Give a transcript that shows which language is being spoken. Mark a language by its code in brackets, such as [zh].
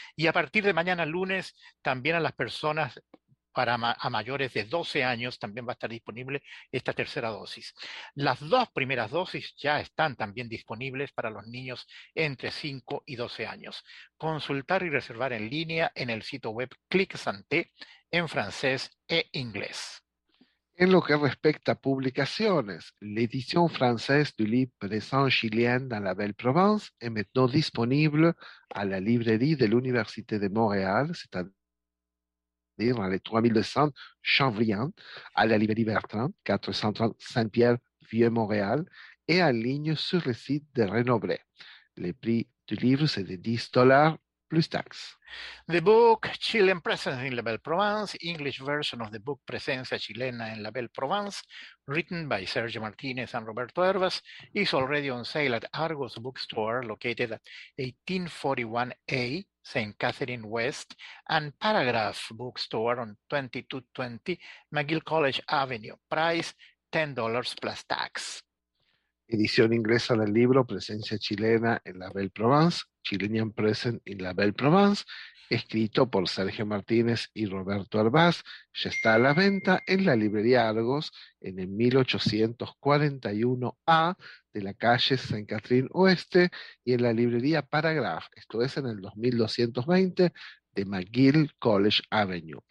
[es] Y a partir de mañana lunes también a las personas a mayores de 12 años también va a estar disponible esta tercera dosis. Las dos primeras dosis ya están también disponibles para los niños entre 5 y 12 años. Consultar y reservar en línea en el sitio web Clic Santé en francés e inglés. En lo que respecta a publicaciones, [fr] l'édition française du livre de Saint-Gilien dans la Belle Provence est maintenant disponible à la librairie de l'Université de Montréal, c'est-à-dire dans les 3200 Chambriand, à la librairie Bertrand, 430 Saint-Pierre, Vieux-Montréal, et en ligne sur le site de Renoblet. Le prix du livre, c'est de 10 dollars. Plus tax. [en] The book Chilean Presence in La Belle Provence, English version of the book Presencia Chilena en La Belle Provence, written by Sergio Martinez and Roberto Hervas, is already on sale at Argos Bookstore, located at 1841A, St. Catherine West, and Paragraph Bookstore on 2220 McGill College Avenue. Price $10 plus tax. [es] Edición inglesa del libro Presencia Chilena en La Belle Provence, Chilean Presence in La Belle Provence, escrito por Sergio Martínez y Roberto Hervás, ya está a la venta en la librería Argos en el 1841A de la calle Saint Catherine Oeste y en la librería Paragraph, esto es en el 2220 de McGill College Avenue.